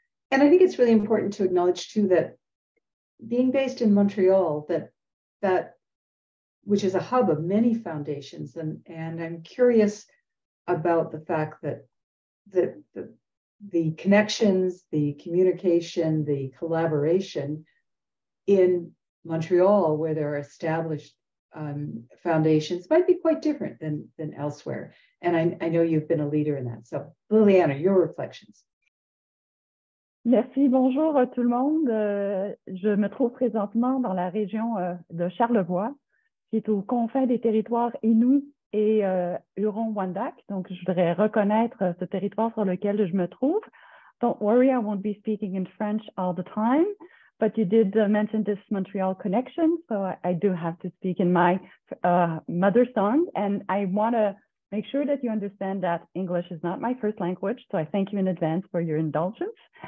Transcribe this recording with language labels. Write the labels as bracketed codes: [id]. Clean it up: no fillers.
[en] And I think it's really important to acknowledge, too, that being based in Montreal, that which is a hub of many foundations, and I'm curious about the fact that the connections, the communication, the collaboration in Montreal, where there are established foundations, might be quite different than elsewhere. And I know you've been a leader in that. So Lili-Anna, your reflections. [fr] Merci, bonjour tout le monde. Je me trouve présentement dans la région de Charlevoix, qui est aux confins des territoires Inuit et Huron-Wendat. Donc, je voudrais reconnaître ce territoire sur lequel je me trouve. [en] Don't worry, I won't be speaking in French all the time, but you did mention this Montreal connection, so I do have to speak in my mother tongue. And I want to make sure that you understand that English is not my first language, so I thank you in advance for your indulgence.